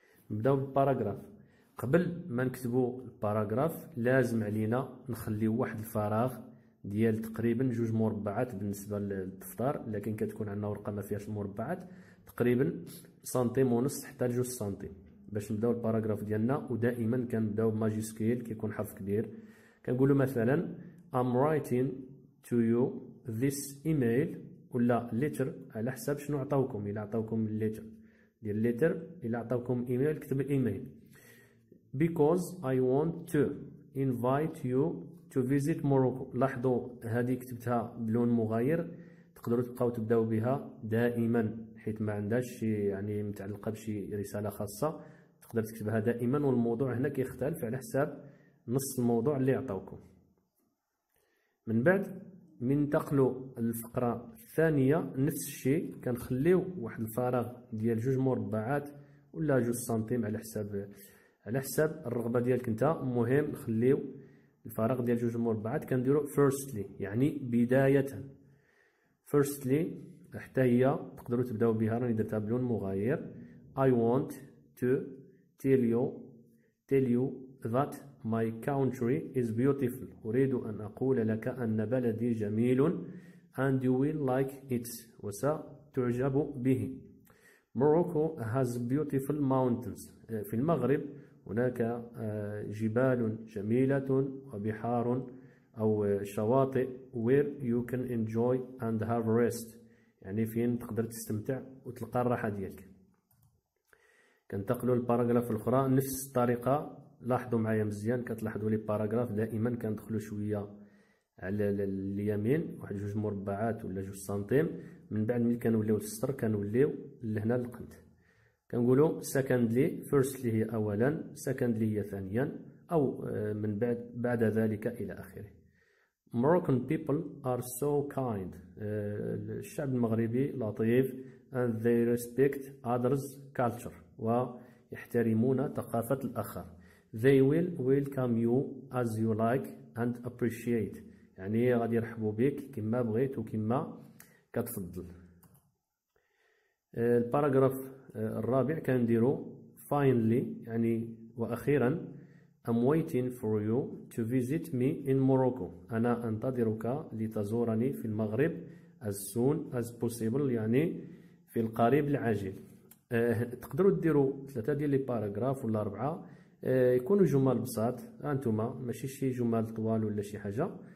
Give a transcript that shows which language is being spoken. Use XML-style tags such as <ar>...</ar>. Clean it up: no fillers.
<ar>نبداو بالباراغراف. قبل ما نكتبوا الباراغراف لازم علينا نخليو واحد الفراغ ديال تقريبا جوج مربعات بالنسبه للدفتر، لكن كتكون عندنا ورقه ما فيهاش المربعات، تقريبا سنتيم ونص حتى لجوج سنتيم باش نبداو الباراغراف ديالنا. ودائما كنبداو بماجيسكيل كيكون حرف كبير. كنقول مثلا</ar> <en>I'm writing to you this email</en> <ar>ولا letter، على حسب شنو عطاوكم. الى عطاوكم letter ديال letter، الى عطاوكم email كتب email.</ar> <en>Because I want to invite you to visit Morocco.</en> <ar>لاحظوا هذه كتبتها بلون مغاير، تقدروا تبقاو تبداو بها دائما حيت ما عندهاش يعني متعلقه بشي رساله خاصه، تقدر تكتبها دائما، والموضوع هنا كيختلف على حسب نص الموضوع اللي عطاوكم. من بعد منتقلوا للفقره الثانيه، نفس الشيء كنخليو واحد الفراغ ديال جوج مربعات ولا جوج سنتيم على حساب على حسب الرغبة ديالك انت. مهم نخليو الفارق ديال جوج المربعات كنديرو firstly يعني بداية. firstly حتى هي تقدروا تبداو بها، راني درتها بلون مغاير.</ar> <en>I want to tell you that my country is beautiful.</en> <ar>أريد أن أقول لك أن بلدي جميل.</ar> <en>And you will like it.</en> <ar>وستعجب به.</ar> <en>Morocco has beautiful mountains.</en> <ar>في المغرب هناك جبال جميلة وبحار أو شواطئ.</ar> <en>Where you can enjoy and have rest.</en> <ar>يعني فين تقدر تستمتع وتلقى الراحة ديالك. كنتقلوا للباراغراف الأخرى نفس الطريقة. لاحظوا معايا مزيان، كتلاحظوا لي باراغراف دائما كندخلوا شوية على اليمين، واحد جوج مربعات ولا جوج سنتيم. من بعد ملي كنوليو للسطر كنوليو لهنا للقنت، كنقولوا سكندلي فيرستلي هي اولا، سكندلي هي ثانيا، او من بعد ذلك الى اخره.</ar> <en>Moroccan people are so kind.</en> <ar>الشعب المغربي لطيف.</ar> <en>And they respect others culture.</en> <ar>ويحترمون ثقافة الآخر.</ar> <en>They will welcome you as you like and appreciate.</en> <ar>يعني غادي يرحبوا بك كما بغيت وكما كتفضل. الباراغراف الرابع كنديرو finally يعني واخيرا.</ar> <en>I'm waiting for you to visit me in Morocco.</en> <ar>انا انتظرك لتزورني في المغرب.</ar> <en>As soon as possible</en> <ar>يعني في القريب العاجل. تقدروا ديروا ثلاثة ديال لي باراغراف ولا اربعة، يكونوا جمل بساط انتما، ماشي شي جمل طوال ولا شي حاجة.</ar>